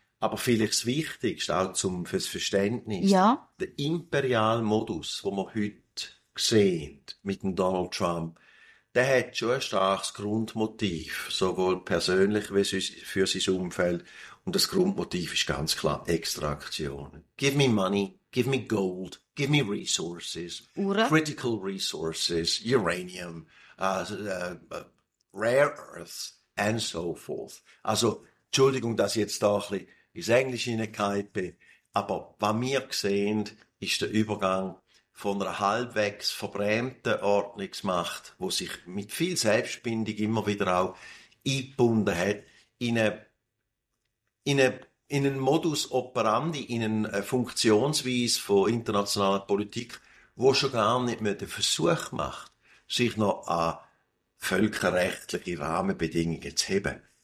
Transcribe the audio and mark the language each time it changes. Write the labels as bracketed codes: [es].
[de] Aber vielleicht das Wichtigste, auch für das Verständnis, der Imperialmodus, den wir heute sehen mit dem Donald Trump, der hat schon ein starkes Grundmotiv, sowohl persönlich wie für sein Umfeld. Und das Grundmotiv ist ganz klar Extraktion. [en] Give me money, give me gold, give me resources, critical resources, uranium, rare earths and so forth. [de] Also, Entschuldigung, dass ich jetzt da ein bisschen ins Englische hineingehauen bin, aber was wir sehen, ist der Übergang von einer halbwegs verbrämten Ordnungsmacht, die sich mit viel Selbstbindung immer wieder auch eingebunden hat, in einen Modus operandi, in eine Funktionsweise von internationaler Politik, wo schon gar nicht mehr den Versuch macht, sich noch an völkerrechtliche Rahmenbedingungen zu heben.